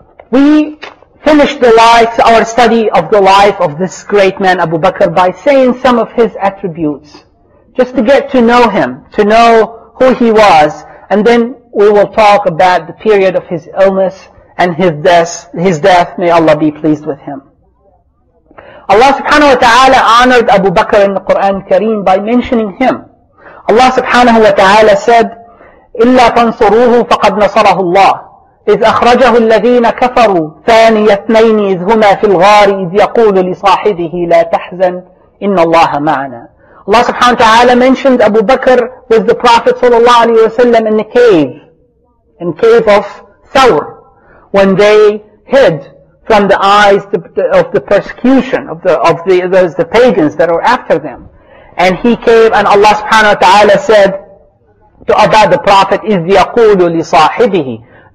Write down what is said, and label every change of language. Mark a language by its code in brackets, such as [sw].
[en] We finished our study of the life of this great man Abu Bakr by saying some of his attributes, just to get to know him, to know who he was, and then we will talk about the period of his illness and his death. May Allah be pleased with him. Allah subhanahu wa ta'ala honored Abu Bakr in the Quran Kareem by mentioning him. Allah subhanahu wa ta'ala said, [ar] إِلَّا تَنْصُرُوهُ فَقَدْ نَصَرَهُ اللَّهُ إِذْ أَخْرَجَهُ الَّذِينَ كَفَرُوا ثَانِيَ اثْنَيْنِ إِذْ هُمَا فِي الْغَارِ إِذْ يَقُولُ لِصَاحِبِهِ لَا تَحْزَنْ إِنَّ اللَّهَ مَعَنَا. [en] Allah subhanahu wa ta'ala mentioned Abu Bakr with the Prophet sallallahu alayhi wa sallam in the cave of Thawr, when they hid from the eyes of the persecution of the pagans that are after them. And he came, and Allah subhanahu wa ta'ala said to Abad the Prophet, [ar] إِذْ يَقُولُ لِصَاحِبِهِ.